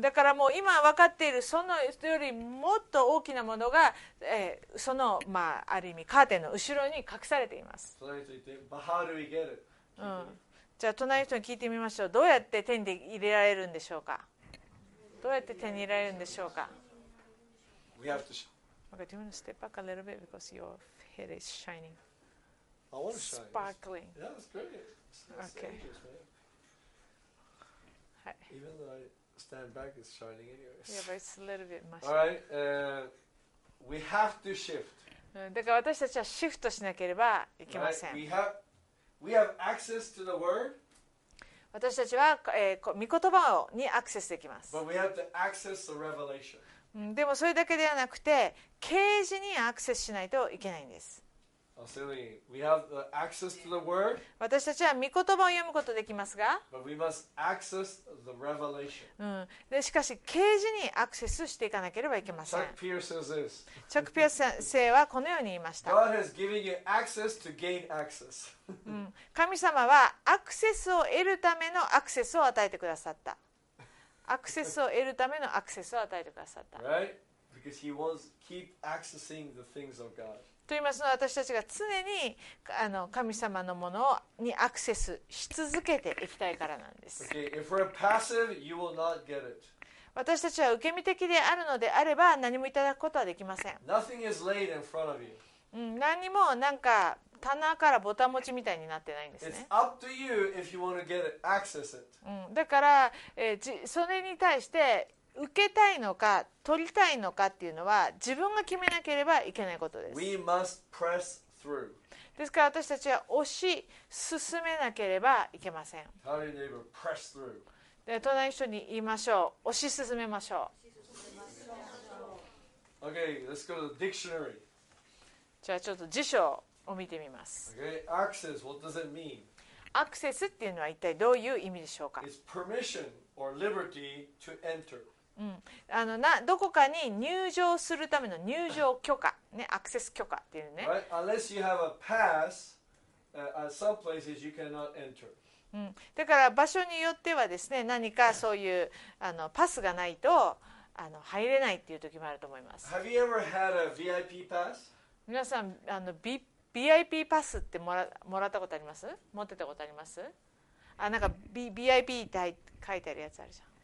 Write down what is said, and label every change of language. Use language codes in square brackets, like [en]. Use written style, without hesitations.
[ja] だからもう今分かっているそのよりもっと大きなものが、その、まあ、ある意味カーテンの後ろに隠されています。隣人に聞いて、 [en] But how do we get it? [ja] じゃあ隣の人に聞いてみましょう。どうやって手に入れられるんでしょうか。どうやって手に入れられるんでしょうか。 [en] We have to show. Okay, do you want to step back a little bit because your head is shining. I want to shine. Sparkling. Yeah, that's great. That's okay. Dangerous, man. はい、Even though I stand back, it's shining anyways. Yeah, but it's a little bit much. All right, we have to shift. [ja] だから私たちはシフトしなければいけません。 [en] Right? We have access to the word. [ja] 私たちは、御言葉にアクセスできます。 [en] But we have to access the revelation. [ja] でもそれだけではなくて、啓示にアクセスしないといけないんです。 [en] We have the access to the word, [ja] 私たちは御言葉を読むことできますが、 [en] but we must access the revelation. [ja] うん、でしかし啓示にアクセスしていかなければいけません。 [en] Chuck Pierce says this. [ja] チャック・ピアス先生はこのように言いました。 [en] God has given you access to gain access. 、 [ja] うん、神様はアクセスを得るためのアクセスを与えてくださった。アクセスを得るためのアクセスを与えてくださった。 [en] Right? Because he wants to keep accessing the things of God. [ja] と言いますのは私たちが常に神様のものにアクセスし続けていきたいからなんです。 [en] Okay. If we're passive, you will not get it. [ja] 私たちは受け身的であるのであれば何もいただくことはできません。 [en] Nothing is laid in front of you. [ja] 何もなんか棚からボタン持ちみたいになってないんですね。 [en] It's up to you if you want to get it, access it. [ja] だから、それに対して受けたいのか取りたいのかっていうのは自分が決めなければいけないことです。 [en] We must press through. [ja] ですから私たちは押し進めなければいけません。 [en] Tell your neighbor, press through. [ja] で隣の人に言いましょう、押し進めましょう。 [en] Okay, let's go to the dictionary. [ja] じゃあちょっと辞書を見てみます。 [en] Okay, access, what does it mean? [ja] アクセスっていうのは一体どういう意味でしょうか。 [en] It's permission or liberty to enter. [ja] うん、どこかに入場するための入場許可、ね、アクセス許可っていうね。 [en] Right? Unless you have a pass, some places you cannot enter. [ja] だから場所によってはですね、何かそういうパスがないと入れないっていう時もあると思います。 [en] Have you ever had a VIP pass? [ja] 皆さん、VIP パスってもらったことあります？持ってたことあります？あ、なんか VIP って書いてあるやつあるじゃん。